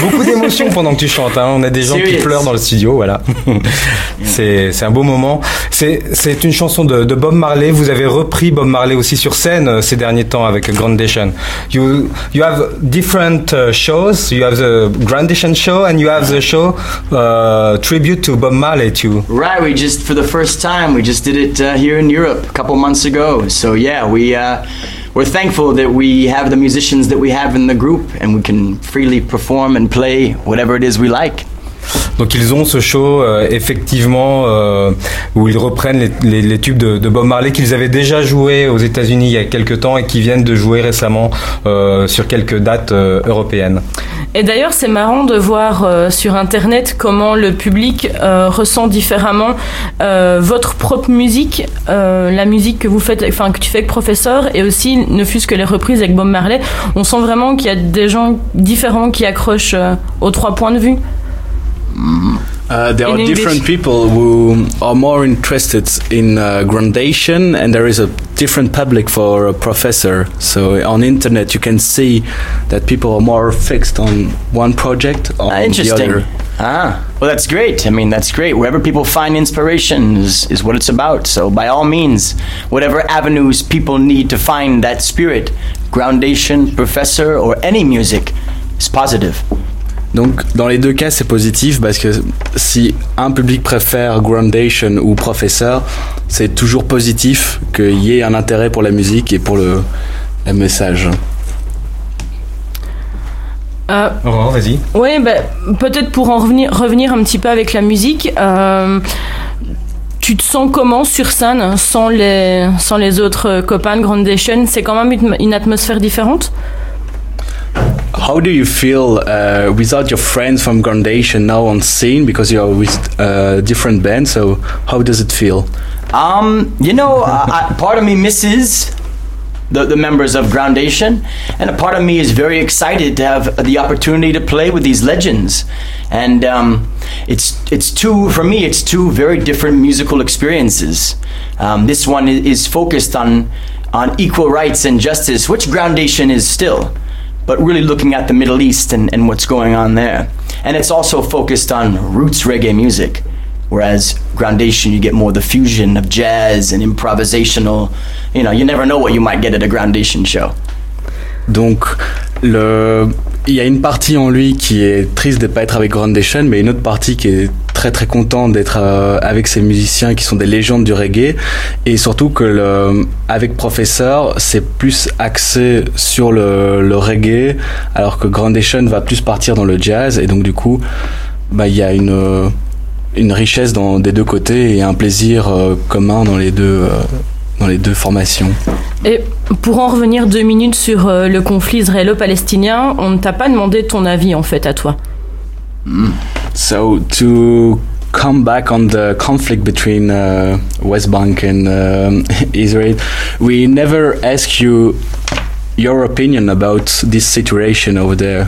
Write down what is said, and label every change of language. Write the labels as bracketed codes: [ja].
[fr] Beaucoup d'émotions pendant que tu chantes. Hein. On a des gens qui pleurent dans le studio. Voilà. c'est un beau moment. C'est une chanson de Bob Marley. Vous avez repris Bob Marley aussi sur scène ces derniers temps avec Grandation. [en] You have different shows. You have the Grandation show and you have the show tribute to Bob Marley too. Right, we just for the first time we just did it here in Europe a couple months ago. So yeah, we're thankful that we have the musicians that we have in the group and we can freely perform and play whatever it is we like. [fr] Donc ils ont ce show effectivement où ils reprennent les tubes de Bob Marley qu'ils avaient déjà joué aux États-Unis il y a quelques temps et qui viennent de jouer récemment sur quelques dates européennes. Et d'ailleurs c'est marrant de voir sur internet comment le public ressent différemment votre propre musique, la musique que vous faites, enfin que tu fais avec Professeur, et aussi ne fût-ce que les reprises avec Bob Marley. On sent vraiment qu'il y a des gens différents qui accrochent aux trois points de vue. [en] There are different people who are more interested in Grandation, and there is a different public for a Professor. So on internet you can see that people are more fixed on one project or the other. Ah, well that's great. I mean that's great. Wherever people find inspiration is what it's about. So by all means, whatever avenues people need to find that spirit, Grandation, Professor or any music is positive. [fr] Donc dans les deux cas c'est positif parce que si un public préfère Grandation ou Professeur, c'est toujours positif qu'il y ait un intérêt pour la musique et pour le message. Aurore, vas-y. Oui, bah, peut-être pour en revenir un petit peu avec la musique, tu te sens comment sur scène sans les autres copains de Grandation? C'est quand même une atmosphère différente. [en] How do you feel without your friends from Grandation now on scene, because you are with a different band, so how does it feel? You know, part of me misses the members of Grandation, and a part of me is very excited to have the opportunity to play with these legends. And it's two very different musical experiences. This one is focused on equal rights and justice, which Grandation is still, but really looking at the Middle East and what's going on there. And it's also focused on roots reggae music, whereas Grandation, you get more the fusion of jazz and improvisational. You know, you never know what you might get at a Grandation show. [fr] Donc, il y a une partie en lui qui est triste de ne pas être avec Grandation, mais une autre partie qui est très très contente d'être avec ces musiciens qui sont des légendes du reggae. Et surtout que avec Professeur, c'est plus axé sur le reggae, alors que Grandation va plus partir dans le jazz. Et donc du coup, bah, y a une richesse dans des deux côtés et un plaisir commun dans les deux... dans les deux formations. Et pour en revenir deux minutes sur le conflit israélo-palestinien, on ne t'a pas demandé ton avis en fait à toi. [en] So to come back on the conflict between West Bank and Israel, we never ask you your opinion about this situation over there.